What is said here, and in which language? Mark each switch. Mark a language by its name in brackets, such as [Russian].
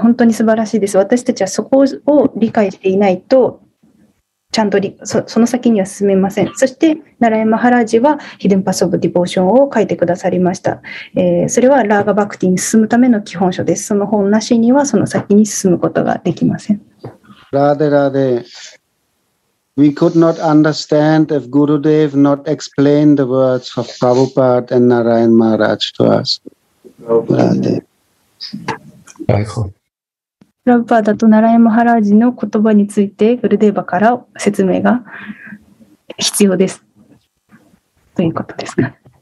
[Japanese] 本当に素晴らしいです。私たちはそこを理解していないと、ちゃんとその先には進めません。そして、ナラヤン・マハラジは [English] hidden path of devotion [Japanese] を書いてくださりました。それはラーガ・バクティに進むための基本書です。その本なしにはその先に進むことができません。 [English] ラーデラーデ、We could not understand if Gurudev not explained the words of Prabhupada and Narayan Maharaj to us. [Japanese] ラーデ。はい、ほう。ラブパーダとナラヤン・マハラージの言葉についてグルデーバから説明が必要ですということですか。